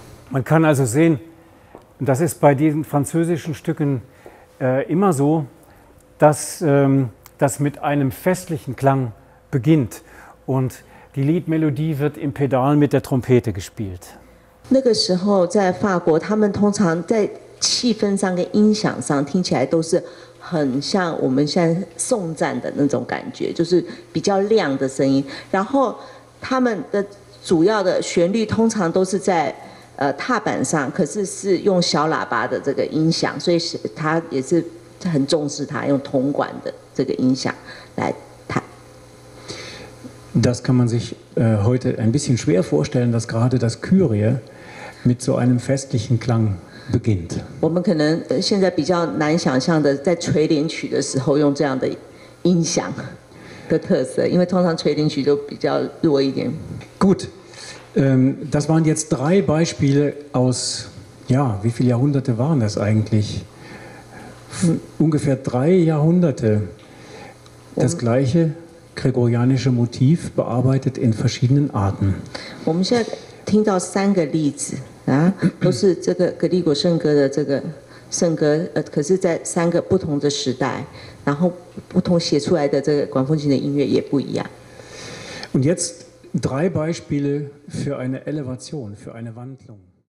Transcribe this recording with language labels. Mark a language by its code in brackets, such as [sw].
[de] Man kann also sehen, das ist bei diesen französischen Stücken immer so, dass das mit einem festlichen Klang beginnt und die Liedmelodie wird im Pedal mit der Trompete gespielt. [zh] 那个时候在法国，他们通常在气氛上跟音响上听起来都是很像我们现在颂赞的那种感觉，就是比较亮的声音。然后他们的主要的旋律通常都是在踏板上，可是是用小喇叭的这个音响，所以是他也是很重视他用铜管的这个音响来弹。 [de] Das kann man sich heute ein bisschen schwer vorstellen, dass gerade das Kyrie mit so einem festlichen Klang beginnt. [zh] 我们可能现在比较难想象的，在垂怜曲的时候用这样的音响的特色，因为通常垂怜曲都比较弱一点。 [de] Gut. Das waren jetzt drei Beispiele aus, ja, wie viele Jahrhunderte waren das eigentlich? Ungefähr drei Jahrhunderte. Das gleiche gregorianische Motiv bearbeitet in verschiedenen Arten. Wir haben jetzt [zh] 听到三个例子, 都是这个格里果圣歌的这个圣歌，可是在三个不同的时代，然后不同写出来的这个管风琴的音乐也不一样。 [de] Und jetzt drei Beispiele für eine Elevation, für eine Wandlung.